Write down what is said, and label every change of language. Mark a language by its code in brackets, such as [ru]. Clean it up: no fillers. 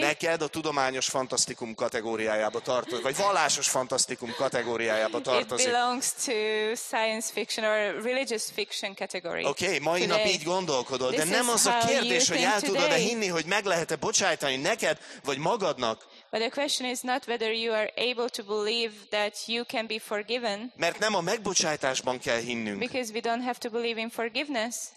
[hu] neked a tudományos fantasztikum kategóriájába tartozik, vagy vallásos fantasztikum kategóriájába tartozik. [en] It belongs to science fiction or religious fiction category. [hu] Okay, mai nap így gondolkodol, [en] this [hu] de nem az a kérdés, hogy el tudod-e hinni, hogy meg lehet-e bocsájtani neked vagy magadnak. [en] But the question is not whether you are able to believe that you can be forgiven. [hu] Mert nem a megbocsájtásban kell hinnünk. Because we don't have to believe in forgiveness.